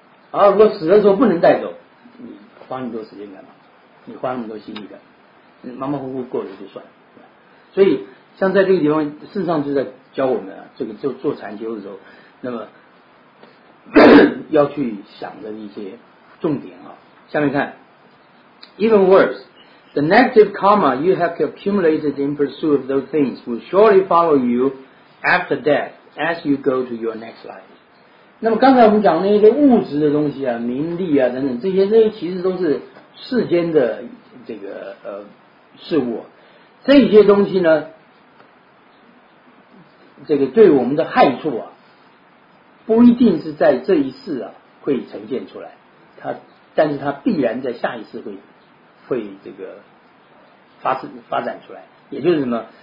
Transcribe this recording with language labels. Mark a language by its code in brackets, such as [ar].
[zh] 啊，如果死的时候不能带走，你花那么多时间干嘛？你花那么多心力干嘛？马马虎虎过了就算了。所以，像在这个地方，事实上就在教我们啊，这个做禅修的时候，那么要去想的一些重点啊。下面看 [en] ，Even worse, the negative karma you have accumulated in pursuit of those things will surely follow you after death as you go to your next life. [zh] 那么刚才我们讲那些物质的东西啊，名利啊等等，这些其实都是世间的这个事物。这些东西呢，这个对我们的害处啊，不一定是在这一世啊会呈现出来，但是它必然在下一世会这个发展出来。也就是什么？